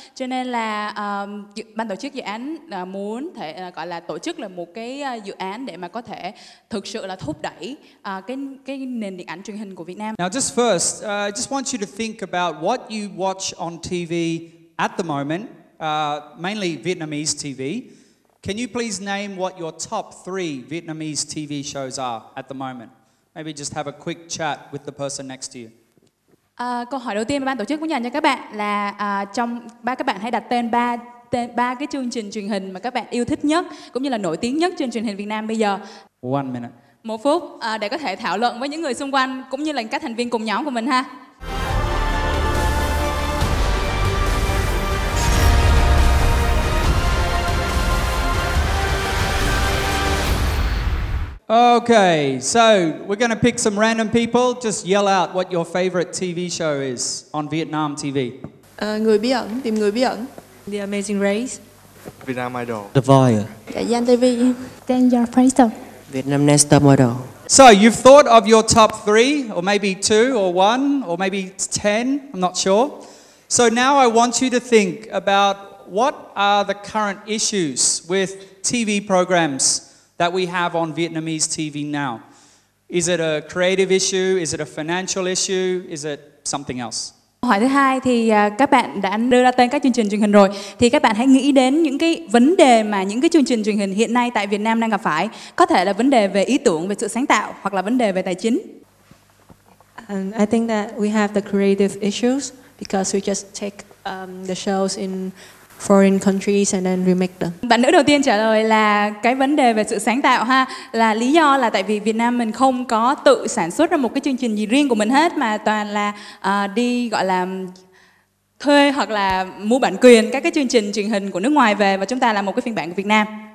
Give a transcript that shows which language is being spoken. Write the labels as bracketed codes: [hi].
[vi] Cho nên là ban tổ chức dự án muốn thể gọi là tổ chức là một cái dự án để mà có thể thực sự là thúc đẩy cái nền điện ảnh truyền hình của Việt Nam. [en] Now, just first, I just want you to think about what you watch on TV at the moment. Mainly Vietnamese TV. Can you please name what your top three Vietnamese TV shows are at the moment? Maybe just have a quick chat with the person next to you. [vi] Câu hỏi đầu tiên mà ban tổ chức muốn dành cho các bạn là trong ba các bạn hãy đặt tên ba cái chương trình truyền hình mà các bạn yêu thích nhất cũng như là nổi tiếng nhất trên truyền hình Việt Nam bây giờ. [en] One minute. [vi] Một phút để có thể thảo luận với những người xung quanh cũng như là các thành viên cùng nhóm của mình ha. [en] Okay, so we're going to pick some random people. Just yell out what your favorite TV show is on Vietnam TV. [vi] Người bí ẩn, tìm người bí ẩn. [en] The Amazing Race. Vietnam Idol. The Wire. [vi] Dạ Gian TV. [en] Danger Phantom. Vietnam Next Top Model. So you've thought of your top three, or maybe two, or one, or maybe 10, I'm not sure. So now I want you to think about what are the current issues with TV programs that we have on Vietnamese TV now. Is it a creative issue? Is it a financial issue? Is it something else? [vi] Hỏi thứ hai thì các bạn đã đưa ra tên các chương trình truyền hình rồi, thì các bạn hãy nghĩ đến những cái vấn đề mà những cái chương trình truyền hình hiện nay tại Việt Nam đang gặp phải. Có thể là vấn đề về ý tưởng, về sự sáng tạo, hoặc là vấn đề về tài chính. [en] I think that we have the creative issues because we just take the shows in foreign countries and then remake them. [vi] Bạn nữ đầu tiên trả lời là cái vấn đề về sự sáng tạo ha, là lý do là tại vì Việt Nam mình không có tự sản xuất ra một cái chương trình gì riêng của mình hết, mà toàn là đi gọi là thuê hoặc là mua bản quyền các cái chương trình truyền hình của nước ngoài về, và chúng ta làm một cái phiên bản của Việt Nam.